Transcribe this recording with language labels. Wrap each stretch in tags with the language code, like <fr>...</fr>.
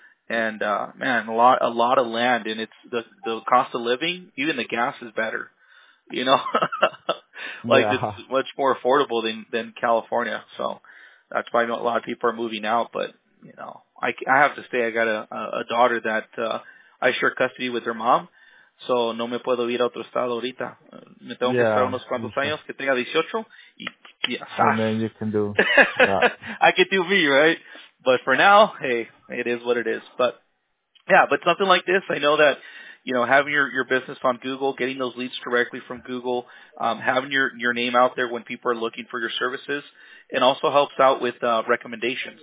<en>And, man, a lot of land, and it's the cost of living, even the gas is better, you know, it's much more affordable than California. So that's why a lot of people are moving out, but, you know, I have to say, I got a daughter that, I share custody with her mom.</en> <es>So no me puedo ir a otro estado ahorita. Me tengo que esperar unos cuantos años que tenga 18 y</es> <en>Man, you can do. I can do me, right? But for now, hey, it is what it is. But, yeah, but something like this, I know that, you know, having your business on Google, getting those leads directly from Google, having your name out there when people are looking for your services, it also helps out with recommendations.</en>